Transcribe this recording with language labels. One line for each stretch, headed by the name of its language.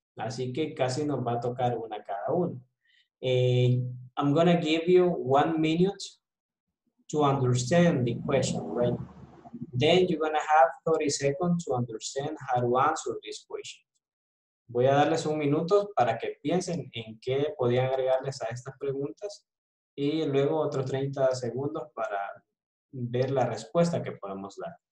Spanish: Así que casi nos va a tocar una cada uno.
English: I'm gonna give you 1 minute to understand the question, right? Then you're gonna have 30 seconds to understand how to answer this question.
Spanish: Voy a darles 1 minuto para que piensen en qué podían agregarles a estas preguntas y luego otros 30 segundos para ver la respuesta que podemos dar.